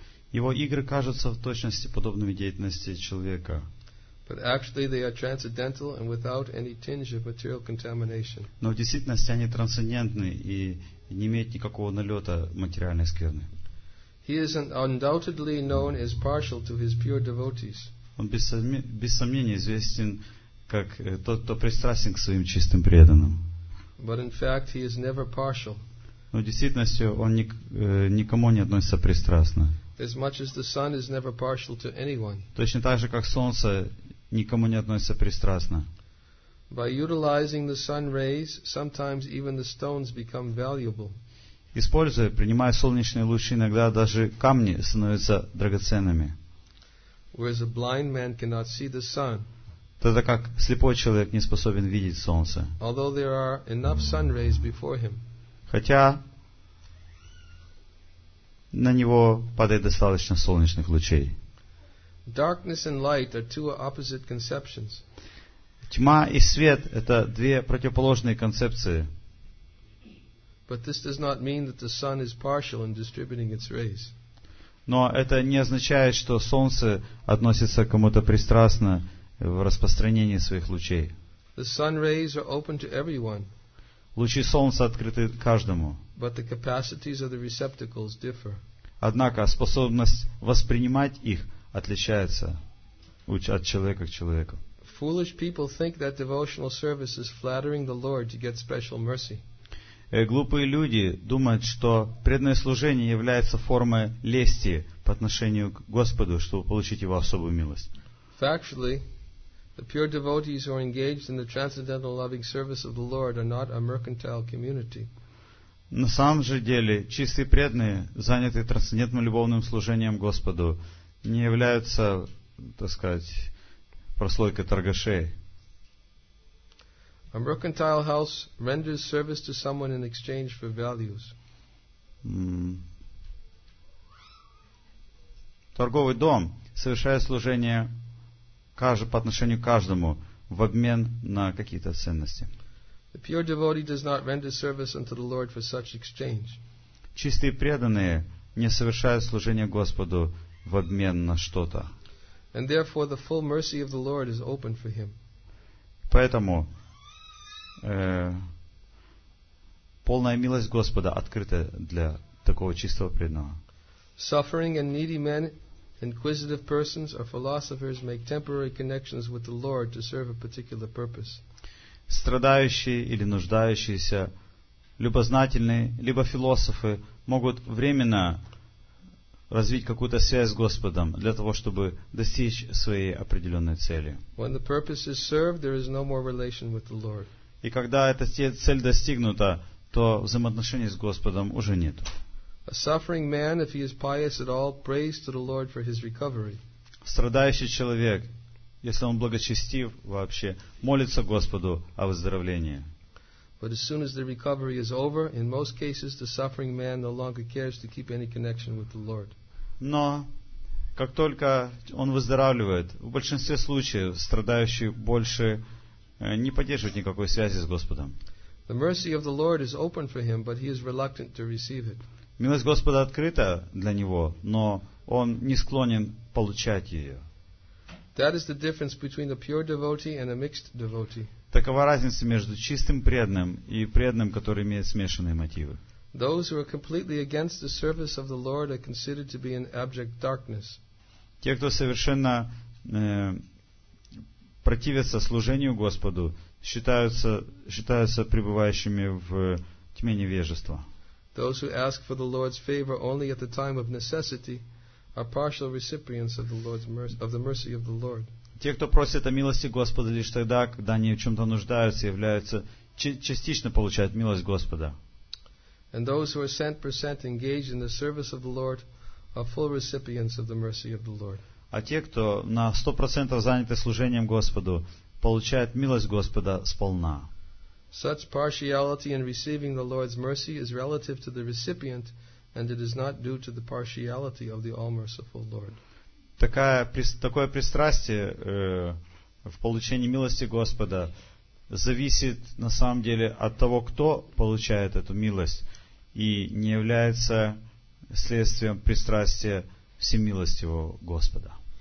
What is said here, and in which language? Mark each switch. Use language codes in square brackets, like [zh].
[ru] Его игры кажутся в точности подобными деятельности человека. [en] But actually they are transcendental and without any tinge of material contamination. [ru] Но в действительности они трансцендентны и не имеют никакого налета материальной скверны. [en] He is undoubtedly known as partial to his pure devotees. [ru] Он без сомнения известен как тот, кто пристрастен к своим чистым преданным. [en] But in fact he is never partial. [ru] Но в действительности он никому не относится пристрастно. [en] As much as the sun is never partial to anyone. [ru] Точно так же, как солнце никому не относится пристрастно. [en] By utilizing the sun rays, sometimes even the stones become valuable. [ru] Используя, принимая солнечные лучи, иногда даже камни становятся драгоценными. [en] Whereas a blind man cannot see the sun. [ru] Тогда как слепой человек не способен видеть солнце. [en] Although there are enough sun rays before him. [ru] Хотя на него падает достаточно солнечных лучей. [en] Darkness and light are two opposite conceptions. [ru] Тьма и свет – это две противоположные концепции. [en] But this does not mean that the sun is partial in distributing its rays. [ru] Но это не означает, что солнце относится к кому-то пристрастно в распространении своих лучей. [en] The sun rays are open to everyone. [ru] Лучи солнца открыты каждому. [en] But the capacities of the receptacles differ. [ru] Однако способность воспринимать их отличается от человека к человеку. [en] Foolish people think that devotional service is flattering the Lord to get special mercy. [ru] Глупые люди думают, что преданное служение является формой лести по отношению к Господу, чтобы получить Его особую милость. [en] Factually, the pure devotees who are engaged in the transcendental loving service of the Lord are not a mercantile community. [ru] На самом же деле, чистые преданные, занятые трансцендентным любовным служением Господу, не являются, так сказать, прослойкой торгашей. [en] A mercantile house renders service to someone in exchange for values. [ru] Торговый дом совершает служение по отношению к каждому в обмен на какие-то ценности. [en] The pure devotee does not render service unto the Lord for such exchange. [ru] Чистые преданные не совершают служение Господу в обмен на что-то. [en] And therefore the full mercy of the Lord is open for him. [ru] Поэтому полная милость Господа открыта для такого чистого преданного. [en] Suffering and needy men, inquisitive persons or philosophers make temporary connections with the Lord to serve a particular purpose. [ru] Страдающие или нуждающиеся, любознательные, либо философы могут временно развить какую-то связь с Господом для того, чтобы достичь своей определенной цели. [en] When the purpose is served, there is no more relation with the Lord. [ru] И когда эта цель достигнута, то взаимоотношений с Господом уже нет. [en] A suffering man, if he is pious at all, prays to the Lord for his recovery. [ru] Страдающий человек, если он благочестив вообще, молится Господу о выздоровлении. [en] But as soon as the recovery is over, in most cases, the suffering man no longer cares to keep any connection with the Lord. [ru] Но как только он выздоравливает, в большинстве случаев страдающий больше не поддерживает никакой связи с Господом. [en] The mercy of the Lord is open for him, but he is reluctant to receive it. [ru] Милость Господа открыта для него, но он не склонен получать ее. [en] That is the difference between a pure devotee and a mixed devotee. [ru] Такова разница между чистым преданным и преданным, который имеет смешанные мотивы. [en] Those who are completely against the service of the Lord are considered to be in abject darkness. [ru] Те, кто совершенно противятся служению Господу, считаются пребывающими в тьме невежества. [en] Those who ask for the Lord's favor only at the time of necessity are partial recipients of the Lord's mercy, of the mercy of the Lord. [ru] Те, кто просят о милости Господа лишь тогда, когда они в чем-то нуждаются, являются частично получают милость Господа. [en] And those who are 100% engaged in the service of the Lord are full recipients of the mercy of the Lord. [ru] А те, кто на 100% заняты служением Господу, получают милость Господа сполна. [en] Such partiality in receiving the Lord's mercy is relative to the recipient, and it is not due to the partiality of the all-merciful Lord. [ru] Такое пристрастие в получении милости Господа зависит на самом деле от того, кто получает эту милость, и не является следствием пристрастия всемилостивого Господа.